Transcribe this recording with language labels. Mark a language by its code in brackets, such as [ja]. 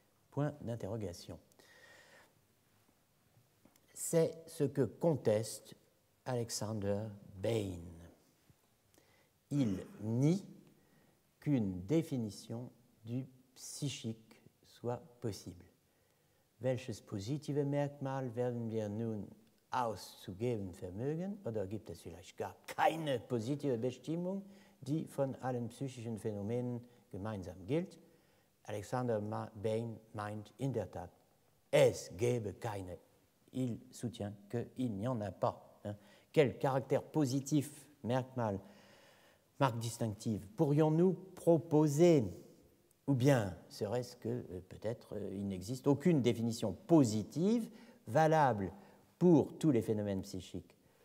[fr] Point d'interrogation. C'est ce que conteste Alexander Bain. Il nie qu'une définition du psychique soit possible. [de] Welches positive Merkmal werden wir nun auszugeben vermögen? Oder gibt es vielleicht gar keine positive Bestimmung, die von allen psychischen Phänomenen gemeinsam gilt? Alexander Bain meint in der Tat, es gäbe keine. [fr] Il soutient qu'il n'y en a pas. Hein? Quel caractère positif, Merkmal, marque distinctive, pourrions-nous proposer? Ou bien serait-ce que peut-être il n'existe aucune définition positive valable pour tous les phénomènes psychiques?